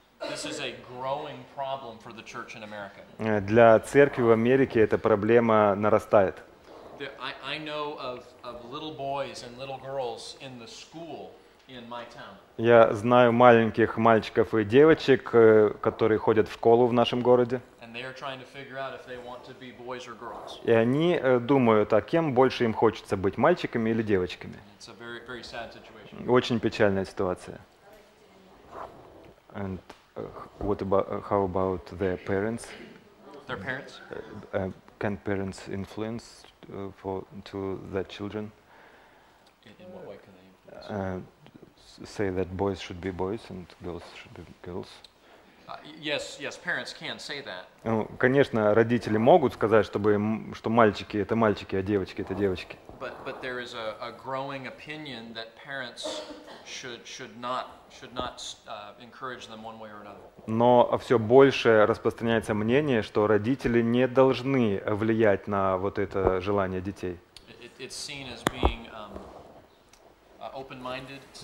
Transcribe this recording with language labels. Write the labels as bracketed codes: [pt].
[en] This is a growing problem for the church in America. [ru] Для церкви в Америке эта проблема нарастает. [en] I know of little boys and little girls in the school in my town. [ru] Я знаю маленьких мальчиков и девочек, которые ходят в школу в нашем городе. [en] And they're trying to figure out if they want to be boys or girls. [ru] И они думают, а кем больше им хочется быть, мальчиками или девочками? [en] It's a very, very sad situation. [ru] Очень печальная ситуация. [en] And what about how about their parents? Their parents? Can parents influence for to their children? In what way can they influence? Say that boys should be boys and girls should be girls. Yes, parents can say that. [ru] Ну, конечно, родители могут сказать, чтобы им, что мальчики это мальчики, а девочки это девочки. [en] But there is a growing opinion that parents should not encourage them one way or another. [ru] Но все больше распространяется мнение, что родители не должны влиять на вот это желание детей. [en] It's seen as being open-minded.